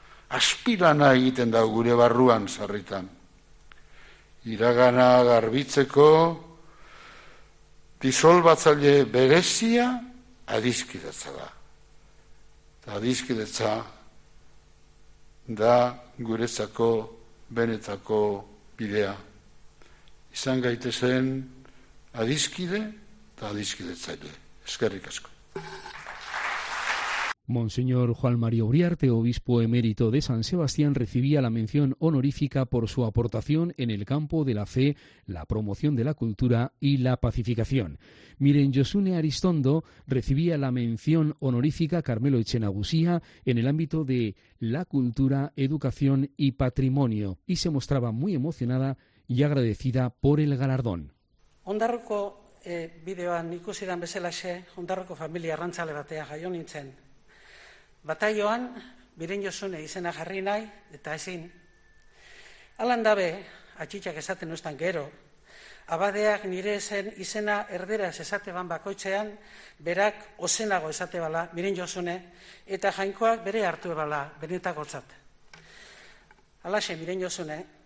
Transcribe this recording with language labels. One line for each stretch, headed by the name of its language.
Basque: Aspilana egiten da gure barruan sarritan. Iragana garbitzeko disolbatzaile berezia adiskidetza da. Adiskidetza da guretzako benetako bidea. Izan gaitezen adiskide eta adiskidetzaile. Eskerrik asko.
Spanish: Monseñor Juan María Uriarte, obispo emérito de San Sebastián, recibía la mención honorífica por su aportación en el campo de la fe, la promoción de la cultura y la pacificación. Miren Josune Aristondo recibía la mención honorífica Carmelo Echenabusía en el ámbito de la cultura, educación y patrimonio y se mostraba muy emocionada y agradecida por el galardón.
Basque: Ondarroko bideoan ikusidan bezalaxe, Ondarroko familia arrantzale batea jaio nintzen. Bataioan, Miren Josune izena jarri nahi, eta ezin. Alan dabe, atxitxak esaten ustan gero, abadeak nire zen izena erderaz esateban bakoitzean, berak ozenago esate bala, Miren Josune, eta jainkoak bere hartu ebala, benetakotzat. Alaxe, Miren Josune,